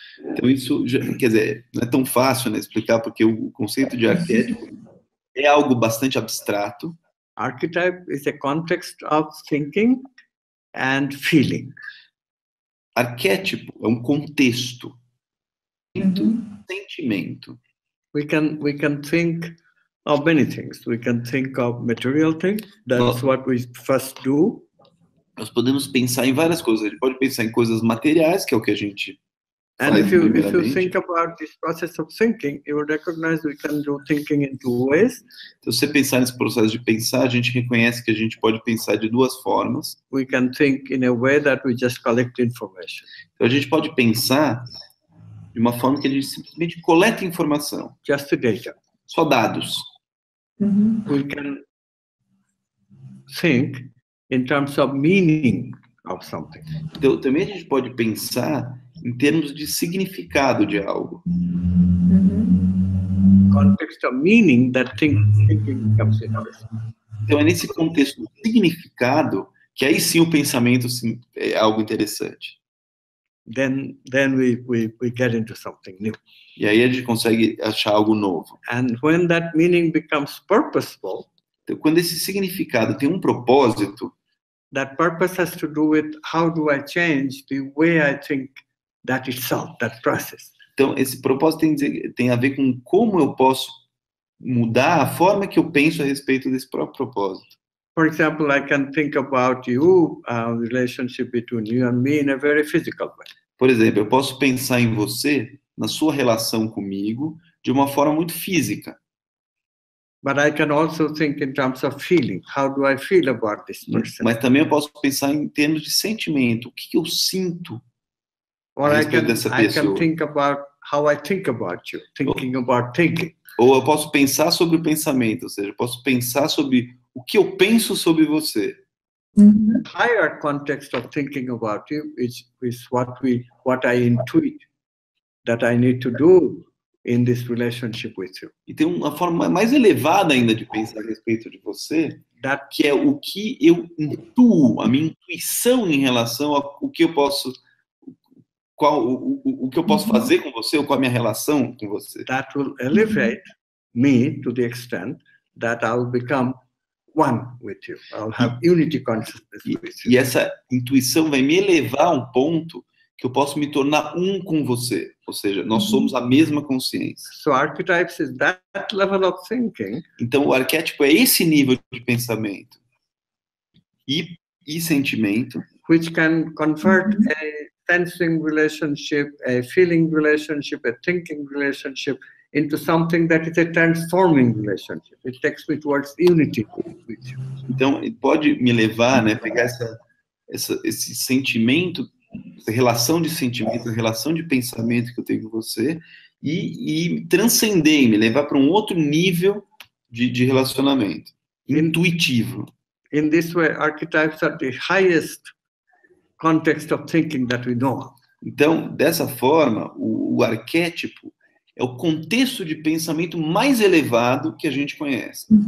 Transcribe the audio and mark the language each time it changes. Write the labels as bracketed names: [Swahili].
[Portuguese] Então isso, quer dizer, não é tão fácil, né, explicar, porque o conceito de arquétipo é algo bastante abstrato. [English] Archetype is a context of thinking and feeling. [Portuguese] Arquétipo é um contexto. Uhum. Sentimento. [English] We can think of many things. We can think of material things. That's what we first do. [Portuguese] Nós podemos pensar em várias coisas. A gente pode pensar em coisas materiais, que é o que a gente faz. [English] And if you think about this process of thinking, you will recognize we can do thinking in two ways. [Portuguese] Então, se você pensar nesse processo de pensar, a gente reconhece que a gente pode pensar de duas formas. [English] We can think in a way that we just collect information. [Portuguese] Então, a gente pode pensar de uma forma que a gente simplesmente coleta informação. [English] Just data. [Portuguese] Só dados. Uh-huh. [English] We can think in terms of meaning of something. [Portuguese] Então, também a gente pode pensar em termos de significado de algo. [English] Uh-huh. Context of meaning that thinking comes in. [Portuguese] Então, é nesse contexto do significado que aí sim o pensamento sim, é algo interessante. [English] Then we get into something new. [Portuguese] E aí a gente consegue achar algo novo. [English] And when that meaning becomes purposeful, [Portuguese] então, quando esse significado tem um propósito, [English] that purpose has to do with how do I change the way I think that itself, that process. [Portuguese] Então, esse propósito tem a ver com como eu posso mudar a forma que eu penso a respeito desse próprio propósito. [English] For example, I can think about you, a relationship between you and me in a very physical way. [Portuguese] Por exemplo, eu posso pensar em você, na sua relação comigo, de uma forma muito física. [English] But I can also think in terms of feeling. How do I feel about this person? [Portuguese] Mas também eu posso pensar em termos de sentimento. O que eu sinto a respeito dessa pessoa? [English] I can think about how I think about you, thinking about thinking. [Portuguese] Ou eu posso pensar sobre o pensamento, ou seja, eu posso pensar sobre o que eu penso sobre você. [English] The higher context of thinking about you is what I intuit that I need to do in this relationship with you. [Portuguese] E tem uma forma mais elevada ainda de pensar a respeito de você, that que é o que eu intuo, a minha intuição em relação a o que eu posso, qual o que eu posso fazer com você ou qual a minha relação com você. [English] That will elevate me to the extent that I'll become one with you. I'll have unity consciousness with you. [Portuguese] E essa intuição vai me elevar a um ponto que eu posso me tornar um com você, ou seja, nós somos a mesma consciência. [English] So archetypes is that level of thinking. [Portuguese] Então o arquétipo é esse nível de pensamento e sentimento, [English] which can convert a sensing relationship, a feeling relationship, a thinking relationship into something that is a transforming relationship. It takes me towards unity with you. [Portuguese] Então pode me levar, né, pegar esse sentimento, relação de sentimento, relação de pensamento que eu tenho com você e transcender, me levar para um outro nível de relacionamento intuitivo. [English] In this way, archetypes are the highest context of thinking that we know. [Portuguese] Então, dessa forma, o arquétipo é o contexto de pensamento mais elevado que a gente conhece.